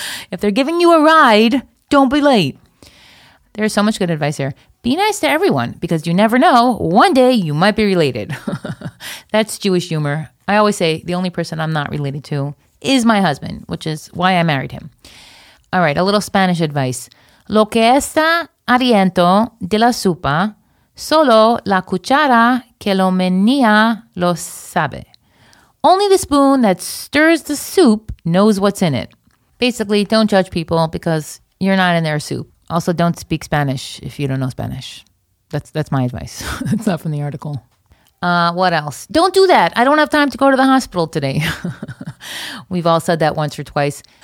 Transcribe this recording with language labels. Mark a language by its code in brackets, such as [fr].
[en] If they're giving you a ride, don't be late. There's so much good advice here. Be nice to everyone, because you never know, one day you might be related. That's Jewish humor. I always say the only person I'm not related to is my husband, which is why I married him. All right, a little Spanish advice. [es] Lo que está ardiendo de la sopa, solo la cuchara que lo menea lo sabe. [en] Only the spoon that stirs the soup knows what's in it. Basically, don't judge people because you're not in their soup. Also, don't speak Spanish if you don't know Spanish. That's my advice. It's not from the article. What else? Don't do that. I don't have time to go to the hospital today. We've all said that once or twice.